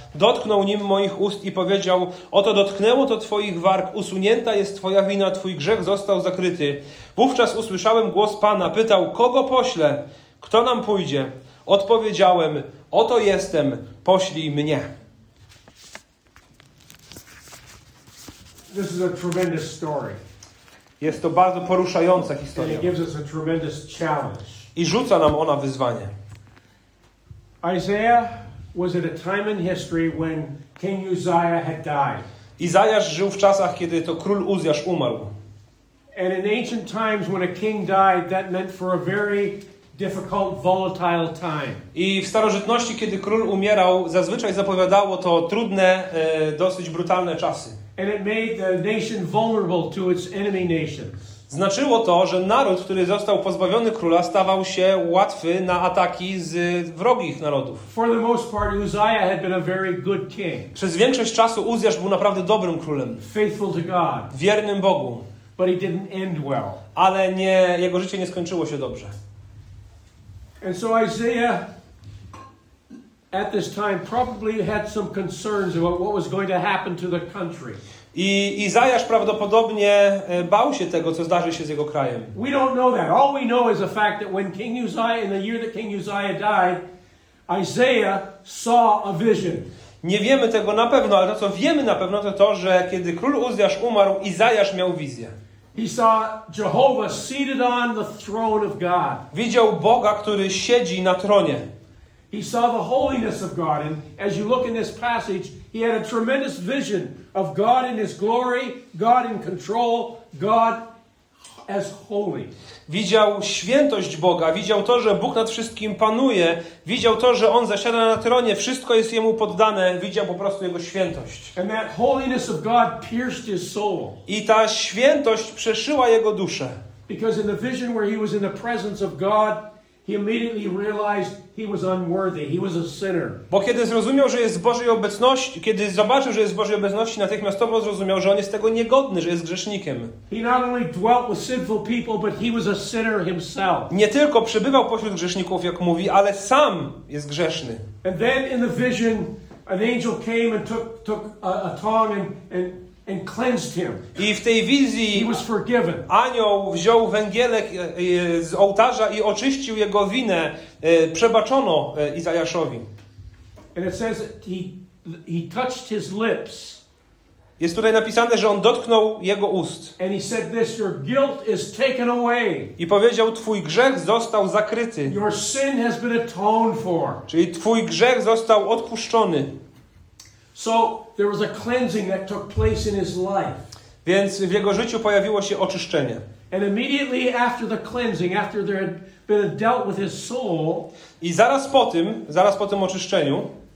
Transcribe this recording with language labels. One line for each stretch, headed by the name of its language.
Polish: Dotknął nim moich ust i powiedział: oto dotknęło to twoich warg, usunięta jest twoja wina, twój grzech został zakryty. Wówczas usłyszałem głos Pana, pytał: kogo poślę? Kto nam pójdzie? Odpowiedziałem: oto jestem, poślij mnie.
English: This is a tremendous story.
Polish: Jest to bardzo poruszająca historia.
English: And it gives us a tremendous challenge.
Polish: I rzuca nam ona wyzwanie.
English: Isaiah was at a time in history when King Uzziah had died.
Polish: Izajasz żył w czasach, kiedy to król Uzjasz umarł.
English: And in ancient times, when a king died, that meant for a very difficult, volatile time.
Polish: I w starożytności, kiedy król umierał, zazwyczaj zapowiadało to trudne, dosyć brutalne czasy.
English: And it made the nation vulnerable to its enemy nations.
Polish: Znaczyło to, że naród, który został pozbawiony króla, stawał się łatwy na ataki z wrogich narodów.
English: For the most part, Uzziah had been a very good king.
Polish: Przez większość czasu Uzjasz był naprawdę dobrym królem.
English: Faithful to God.
Polish: Wiernym Bogu.
English: But he didn't end well.
Polish: Ale jego życie nie skończyło się dobrze.
English: And so Isaiah, at this time, probably had some concerns about what was going to happen to the country.
Polish: I Izajasz prawdopodobnie bał się tego, co zdarzy się z jego krajem.
English: We don't know that. All we know is the fact that when King Uzziah, in the year that King Uzziah died, Isaiah saw a vision.
Polish: Nie wiemy tego na pewno, ale to, co wiemy na pewno, to to, że kiedy król Uzziasz umarł, Izajasz miał wizję.
English: He saw Jehovah seated on the throne of God.
Polish: Widział Boga, który siedzi na tronie.
English: He saw the holiness of God, and as you look in this passage, he had a tremendous vision of God in His glory, God in control, God as holy.
Polish: Widział świętość Boga, widział to, że Bóg nad wszystkim panuje, widział to, że On zasiada na tronie, wszystko jest Jemu poddane, widział po prostu Jego świętość.
English: And that holiness of God pierced his soul.
Polish: I ta świętość przeszyła Jego duszę.
English: Because in the vision where he was in the presence of God, he immediately realized he was unworthy. He was a sinner.
Polish: Bo kiedy zrozumiał, że jest w Bożej obecności, kiedy zobaczył, że jest w Bożej obecności, natychmiastowo zrozumiał, że on jest tego niegodny, że jest grzesznikiem.
English: He not only dwelt with sinful people, but he was a sinner himself.
Polish: Nie tylko przebywał pośród grzeszników, jak mówi, ale sam jest grzeszny.
English: And then in the vision, an angel came and took a tongue and cleansed him.
Polish: I w tej wizji
English: he was forgiven.
Polish: Anioł wziął węgielek z ołtarza i oczyścił jego winę. Przebaczono Izajaszowi.
English: And it says he touched his lips.
Polish: Jest tutaj napisane, że on dotknął jego ust.
English: And he said this, your guilt is taken away.
Polish: I powiedział, twój grzech został zakryty.
English: Your sin has been atoned for.
Polish: Czyli twój grzech został odpuszczony.
English: So there was a cleansing that took place in his life.
Polish: Więc w jego życiu pojawiło się oczyszczenie.
English: And immediately after the cleansing, after there had been dealt with his soul,
Polish: i zaraz po tym oczyszczeniu,